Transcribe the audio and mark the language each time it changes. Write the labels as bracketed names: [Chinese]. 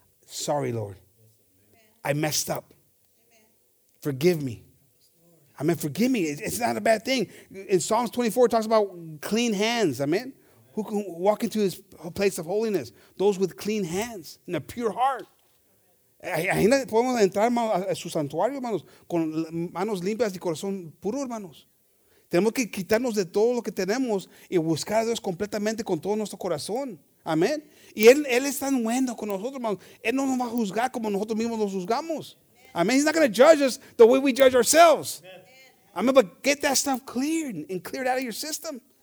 [English] Sorry, Lord. I messed up. Forgive me. I mean, forgive me. It's not a bad thing. In Psalms 24, it talks about clean hands. Amen. Who can walk into his place of holiness? Those with clean hands and a pure heart. [Spanish] Ahí podemos entrar a su santuario, hermanos, con manos limpias y corazón puro, hermanos. Tenemos que quitarnos de todo lo que tenemos y buscar a Dios completamente con todo nuestro corazón. Amén. Y Él está en bueno con nosotros, hermanos. Él no nos va a juzgar como nosotros mismos nos juzgamos. Amén. [English] He's not going to judge us the way we judge ourselves. Amén. But get that stuff cleared and cleared out of your system.